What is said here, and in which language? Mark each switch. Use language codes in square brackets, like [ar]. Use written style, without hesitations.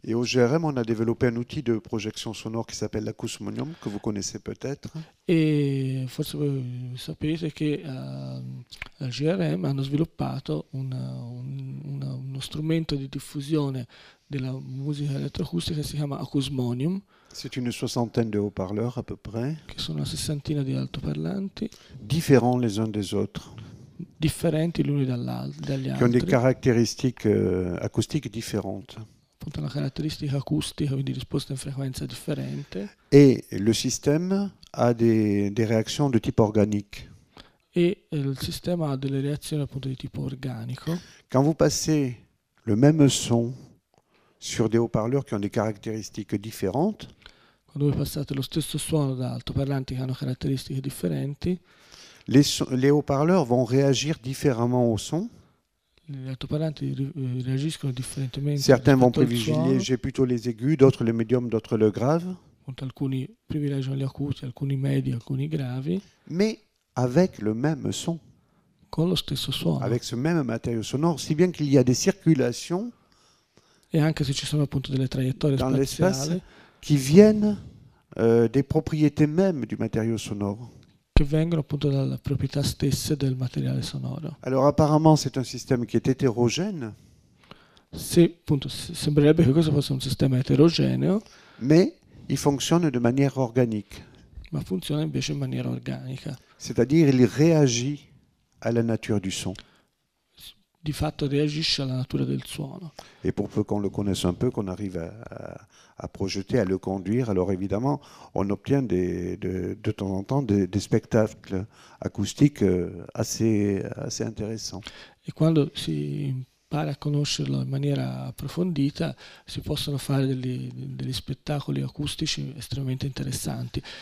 [fr] Et au GRM, on a développé un outil de projection sonore qui s'appelle l'Acousmonium, que vous connaissez peut-être. [it] E forse sapete che la GRM hanno sviluppato uno strumento di diffusione della musica elettroacustica che si chiama Acousmonium, [fr] C'est une soixantaine de haut-parleurs à peu près, [it] che sono una sessantina di altoparlanti, [fr] différents les uns des autres, [it] differenti l'uno dagli [fr] qui ont des [it] altri, appunto [fr] caractéristiques acoustiques différentes. [it] una caratteristica acustica, quindi risposta in frequenza differente. [fr] Et le système a des réactions de type organique. [it] E il sistema ha delle reazioni appunto di tipo organico. [fr] Quand vous passez le même son sur des haut-parleurs qui ont des caractéristiques différentes, [it] Quando voi passate lo stesso suono da altoparlanti che hanno caratteristiche differenti, [fr] les haut-parleurs vont réagir différemment au son. [it] gli altoparlanti reagiscono differentemente [fr] Certains vont [it] rispetto al suono. [fr] privilégier plutôt les aigus, d'autres les médiums, d'autres le grave. [it] Alcuni privilegiano gli acuti, alcuni medi, alcuni gravi. [fr] Mais avec le même son, [it] Con lo stesso [fr] avec ce même matériau sonore, si bien qu'il y a des circulations [it] E anche se ci sono appunto delle traiettorie [fr] dans l'espace [it] spaziali [fr] qui viennent des propriétés mêmes du matériau sonore. [it] che vengono appunto dalle proprietà stesse del materiale sonoro. [fr] Alors apparemment c'est un système qui est hétérogène, [it] Se appunto sembrerebbe che questo fosse un sistema eterogeneo, [fr] mais il fonctionne de manière organique. [it] ma funziona invece in maniera organica. [fr] C'est-à-dire il réagit à la nature du son. [it] Di fatto reagisce alla natura del suono. [fr] Et pour peu qu'on le connaisse un peu, qu'on arrive à projeter, à le conduire, alors évidemment, on obtient de temps en temps des spectacles acoustiques assez intéressants. [it] E quando si impara a conoscerlo in maniera approfondita, si possono fare degli spettacoli acustici estremamente interessanti.